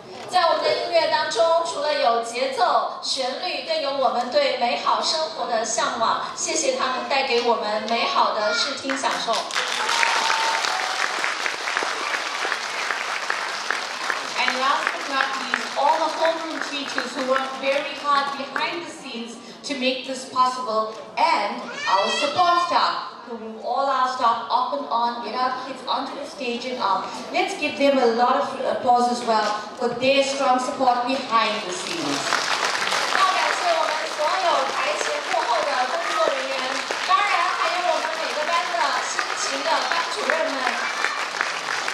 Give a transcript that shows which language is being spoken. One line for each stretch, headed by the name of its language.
Chinese: 在我们的音乐当中，除了有节奏、旋律，更有我们对美好生活的向往。谢谢他们带给我们美好的视听享受。
English: And last but not least, all the homeroom teachers who work very hard behind the scenes to make this possible, and our support staff. To move all our stuff up and on, get our kids onto the stage and up. Let's give them a lot of applause as well for their strong support behind the scenes.
Chinese: 要感谢我们所有台前幕后的工作人员，当然还有我们每个班的辛勤的班主任们。